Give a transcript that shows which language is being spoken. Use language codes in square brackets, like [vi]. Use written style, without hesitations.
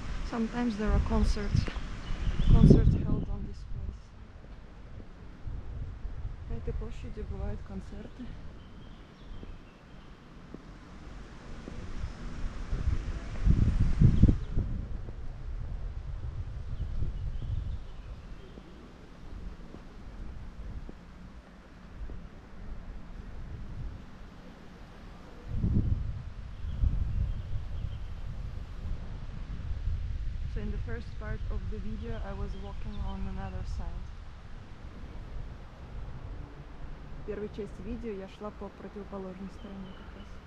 [en] Sometimes there are concerts held on this place. [ru] На этой площади бывают концерты. [en] In the first part of the video, I was walking on another side. [ru] Первая часть видео я шла по противоположной стороне как раз.